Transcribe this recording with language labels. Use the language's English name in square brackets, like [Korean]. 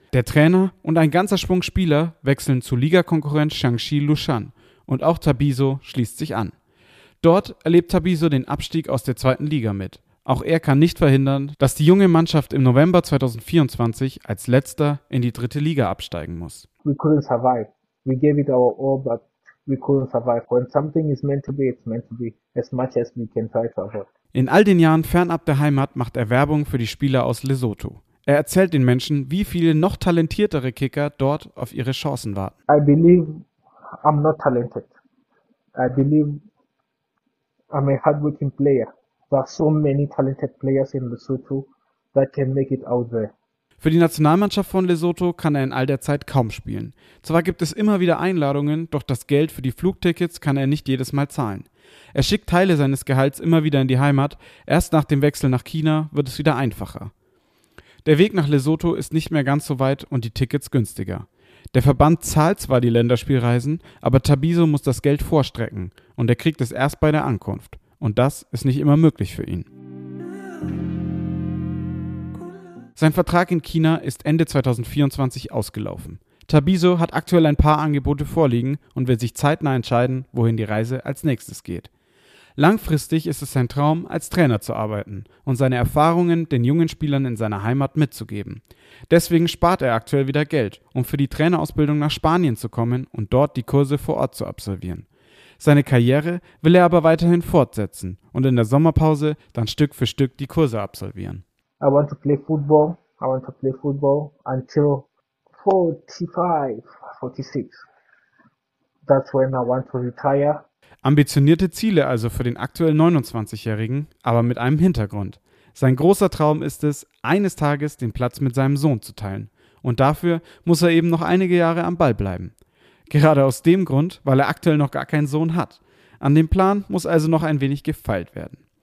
[German] Der Trainer und ein ganzer Schwung Spieler wechseln zu Ligakonkurrent Shaanxi Lushan. Und auch Tabiso schließt sich an. Dort erlebt Tabiso den Abstieg aus der zweiten Liga mit. Auch er kann nicht verhindern, dass die junge Mannschaft im November 2024 als letzter in die dritte Liga absteigen muss. [English] We couldn't survive. We gave it our all, but we couldn't survive. When something is meant to be, it's meant to be. As much as we can try to avoid. [German] In all den Jahren fernab der Heimat macht er Werbung für die Spieler aus Lesotho. Er erzählt den Menschen, wie viele noch talentiertere Kicker dort auf ihre Chancen warten. [English] I believe I'm not talented. I believe I'm a hardworking player. There are so many talented players in Lesotho that can make it out there. [German] Für die Nationalmannschaft von Lesotho kann er in all der Zeit kaum spielen. Zwar gibt es immer wieder Einladungen, doch das Geld für die Flugtickets kann er nicht jedes Mal zahlen. Er schickt Teile seines Gehalts immer wieder in die Heimat. Erst nach dem Wechsel nach China wird es wieder einfacher. Der Weg nach Lesotho ist nicht mehr ganz so weit und die Tickets günstiger. Der Verband zahlt zwar die Länderspielreisen, aber Tabiso muss das Geld vorstrecken und er kriegt es erst bei der Ankunft. Und das ist nicht immer möglich für ihn. Sein Vertrag in China ist Ende 2024 ausgelaufen. Tabiso hat aktuell ein paar Angebote vorliegen und will sich zeitnah entscheiden, wohin die Reise als nächstes geht. Langfristig ist es sein Traum, als Trainer zu arbeiten und seine Erfahrungen den jungen Spielern in seiner Heimat mitzugeben. Deswegen spart er aktuell wieder Geld, um für die Trainerausbildung nach Spanien zu kommen und dort die Kurse vor Ort zu absolvieren. Seine Karriere will er aber weiterhin fortsetzen und in der Sommerpause dann Stück für Stück die Kurse absolvieren. [English] I want to play football. I want to play football until 45, 46. That's when I want to retire. [German] Ambitionierte Ziele also für den aktuell 29-Jährigen, aber mit einem Hintergrund. Sein großer Traum ist es, eines Tages den Platz mit seinem Sohn zu teilen. Und dafür muss er eben noch einige Jahre am Ball bleiben. Gerade aus dem Grund, weil er aktuell noch gar keinen Sohn hat. An dem Plan muss also noch ein wenig gefeilt werden.